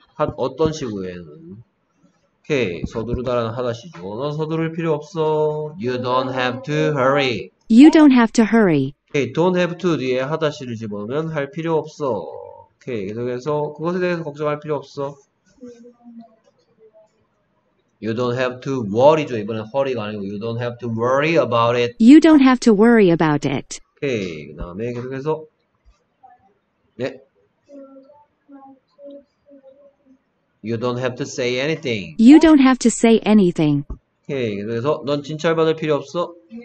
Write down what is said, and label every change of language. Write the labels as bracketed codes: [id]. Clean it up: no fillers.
[ko] 어떤 시구에는 오케이 서두르다라는 하다시죠. 넌 서두를 필요 없어. [en] You don't have to hurry. You don't have to hurry. [ko] 오케이 don't have to 뒤에 하다시를 집어넣으면 할 필요 없어. 오케이 계속해서 그것에 대해서 걱정할 필요 없어. [en] You don't have to worry죠. [ko] 이번엔 hurry가 아니고 [en] You don't have to worry about it. You don't have to worry about it. [ko] 오케이 그다음에 계속해서 네. [en] You don't have to say anything. You don't have to say anything. [ko] 오케이. 그래서 넌 진찰받을 필요 없어.